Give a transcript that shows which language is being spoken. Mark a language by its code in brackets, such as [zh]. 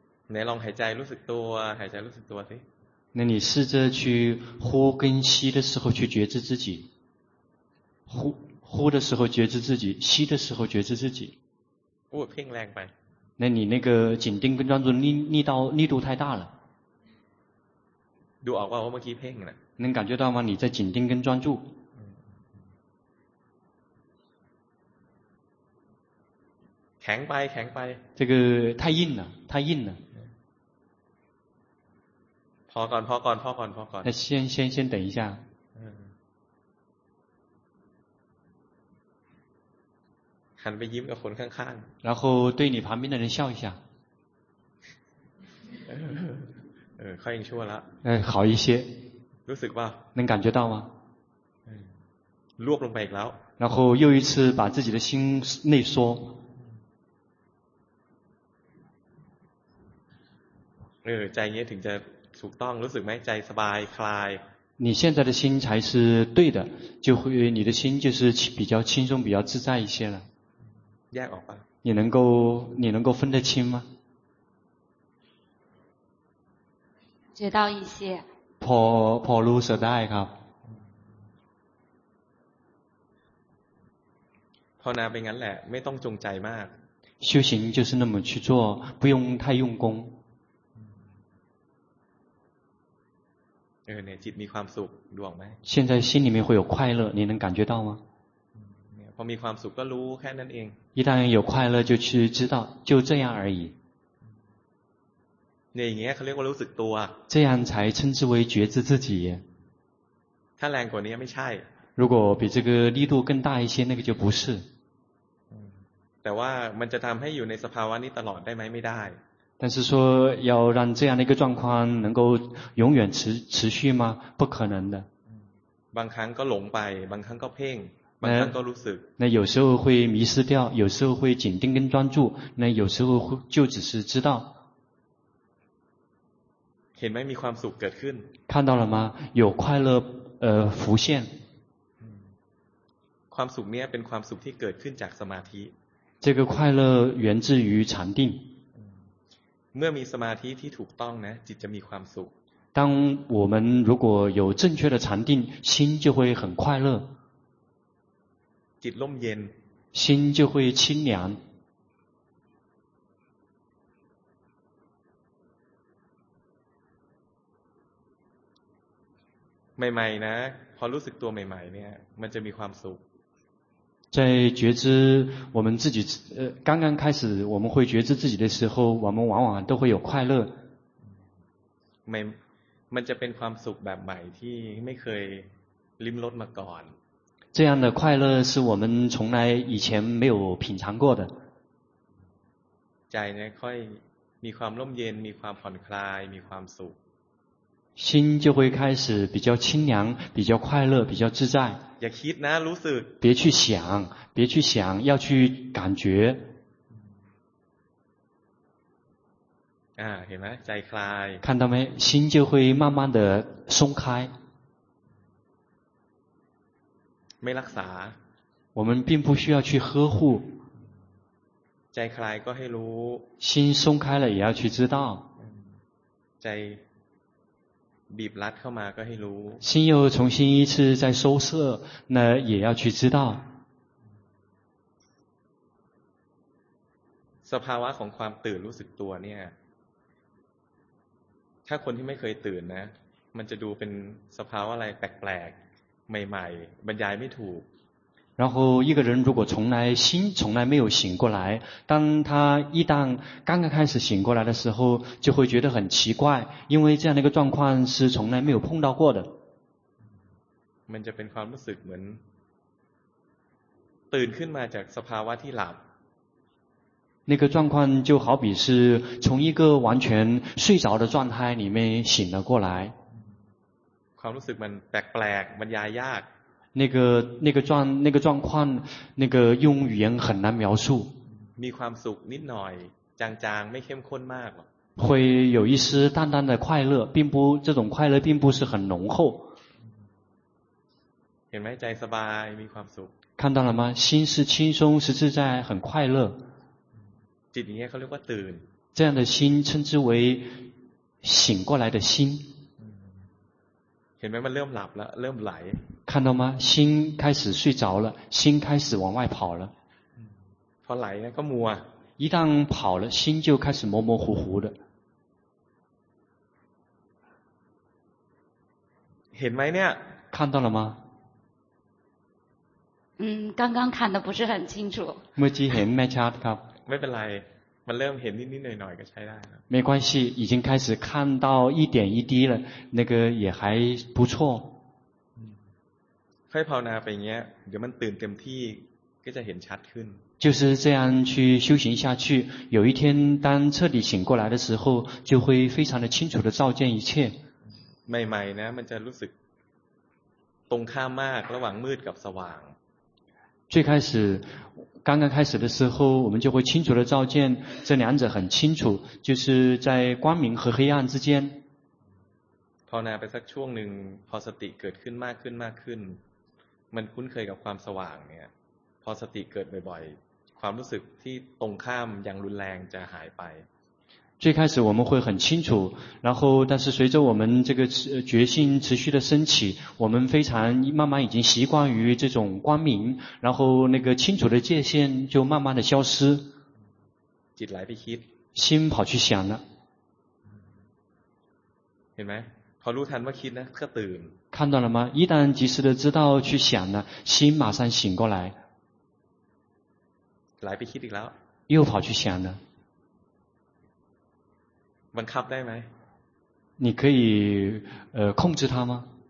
[th] ไหนลองหายใจรู้สึกตัวหายใจรู้สึกตัวสิ [zh] 那你试着去呼跟吸的时候去觉知自己呼的时候觉知自己吸的时候觉知自己我 [th] เพ่งแรงไป [zh] 那你那个紧盯跟专注力度太大了 [th] ดูออกว่าเมื่อกี้เพ่งนะ [zh] 能感觉到吗你在紧盯跟专注 [th] แข็งไป [zh] 这个太硬了 [th] พอก่อน [zh] 那先等一下 [th] หันไปยิ้มกับคนข้างๆ แล้ว [zh] 对你旁边的人笑一下 [th] ค่อยยังชั่วละ [zh] 好一些 [th] รู้สึกป่าว [zh] 能感觉到吗 [th] รวบลงไปอีกแล้ว [zh] 然后又一次把自己的心内缩 [th] ใจนี้ถึงจะถูกต้องรู้สึกไหมใจสบายคลาย [zh] 你现在的心才是对的就会你的心就是比较轻松比较自在一些了 [th] แยกออกป่ะ [zh] 你能够分得清吗知道一些 [th] พอรู้สึกได้ครับ ภาวนาเป็นงั้นแหละไม่ต้องจงใจมาก [zh] 修行就是那么去做不用太用功 [th] เนี่ยจิตมีความสุขดวงไหม [zh] 现在心里面会有快乐你能感觉到吗 [th] พอมีความสุขก็รู้แค่นั้นเอง [zh] 一旦有快乐就去知道就这样而已 [th] เนี่ยอย่างเงี้ยเขาเรียกว่ารู้สึกตัว [zh] 这样才称之为觉知自己 [th] ถ้าแรงกว่านี้ไม่ใช่ [zh] 如果比这个力度更大一些那个就不是 [th] แต่ว่ามันจะทำให้อยู่ในสภาวะนี้ตลอดได้ไหมไม่ได้ [zh] 但是说要让这样的一个状况能够永远持续吗？不可能的。 [th] บางครั้งก็หลงไปบางครั้งก็เพ่งบางครั้งก็รู้สึก [zh] 那有时候会迷失掉，有时候会紧盯跟专注，那有时候就只是知道。 [th] เห็นไหมมีความสุขเกิดขึ้น [zh] 看到了吗？有快乐浮现。 [th] ความสุขเนี้ยเป็นความสุขที่เกิดขึ้นจากสมาธิ。 [zh] 这个快乐源自于禅定。 [th] เมื่อมีสมาธิที่ถูกต้องนะจิตจะมีความสุข [zh] 当我们如果有正确的禅定心就会很快乐 [th] จิตล่มเย็น [zh] 心就会清凉 [th] ใหม่ๆนะพอรู้สึกตัวใหม่ๆเนี่ยมันจะมีความสุข [zh] 在觉知我们自己刚刚开始我们会觉知自己的时候我们往往都会有快乐 [th] มันจะเป็นความสุขแบบใหม่ที่ไม่เคยลิ้มรสมาก่อน [zh] 这样的快乐是我们从来以前没有品尝过的 [th] ใจเนี่ยค่อยมีความร่มเย็นมีความผ่อนคลายมีความสุข [zh] 心就会开始比较清凉比较快乐比较自在 [th] อย่าคิดนะรู้สึก [zh] 别去想要去感觉 [th] เห็นไหมใจคลาย [zh] 看到没心就会慢慢的松开 [th] ไม่รักษา [zh] 我们并不需要去呵护 [th] ใจคลายก็ให้รู้ [zh] 心松开了也要去知道 [th] ใจ บีบรัดเข้ามาก็ให้รู้ [zh] 心又重新一次在收摄那也要去知道 [th] สภาวะของความตื่นรู้สึกตัวเนี่ยถ้าคนที่ไม่เคยตื่นนะมันจะดูเป็นสภาวะอะไรแปลกๆใหม่ๆบรรยายไม่ถูก [zh] 然后一个人如果从来心从来没有醒过来当他一旦刚刚开始醒过来的时候就会觉得很奇怪因为这样的一个状况是从来没有碰到过的 [th] มันจะเป็นความรู้สึกเหมือนตื่นขึ้นมาจากสภาวะที่หลับ [zh] 那个状况就好比是从一个完全睡着的状态里面醒了过来 [th] ความรู้สึกมันแปลกๆบรรยายยาก นี่ก็ [zh] 状况那个用语言很难描述 [th] มีความสุขนิดหน่อยจางๆไม่เข้มข้นมากหรอก [zh] 会有一丝淡淡的快乐并不这种快乐并不是很浓厚 [th] เห็นไหมใจสบายมีความสุข [zh] 看到了吗心是轻松是自在很快乐 [th] จิตอย่างเงี้ยเขาเรียกว่าตื่น [zh] 这样的心称之为醒过来的心 [th] เห็นไหมมันเริ่มหลับแล้วเริ่มไหล [zh] 看到吗心开始睡着了心开始往外跑了 [th] พอไหลก็มัว [zh] 一旦跑了心就开始模模糊糊的 [th] เห็นไหมเนี่ย [zh] 看到了吗刚刚看的不是很清楚 [th] เมื่อกี้เห็นไม่ชัดครับ ไม่เป็นไรมันเริ่มเห็นนิดๆหน่อยๆก็ใช้ได้แล้ว [zh] 没关系已经开始看到一点一滴了那个也还不错 [th] ให้ภาวนาไปอย่างเงี้ยเดี๋ยวมันตื่นเต็มที่ก็จะเห็นชัดขึ้น [zh] 就是这样去修行下去有一天当彻底醒过来的时候就会非常的清楚的照见一切 [th] ใหม่ๆนะมันจะรู้สึกตรงข้ามมากระหว่างมืดกับสว่าง [zh] 最开始刚刚开始的时候我们就会清楚的照见这两者很清楚就是在光明和黑暗之间 [th] ภาวนาไปสักช่วงหนึ่งพอสติเกิดขึ้นมากขึ้นมากขึ้นมันคุ้นเคยกับความสว่างเนี่ยพอสติเกิดบ่อยๆความรู้สึกที่ตรงข้ามอย่างรุนแรงจะหายไป [zh] 最开始我们会很清楚然后但是随着我们这个觉性持续的升起我们非常慢慢已经习惯于这种光明然后那个清楚的界限就慢慢的消失 [th] จิตไหลไปคิด [zh] 心跑去想了 [th] เห็นไหมพอรู้ทันว่าคิดนะก็ตื่น [zh] 看到了吗一旦及时的知道去想了心马上醒过来来不及的了又跑去想了 [th] บังคับได้ไหม [zh] 你可以控制它吗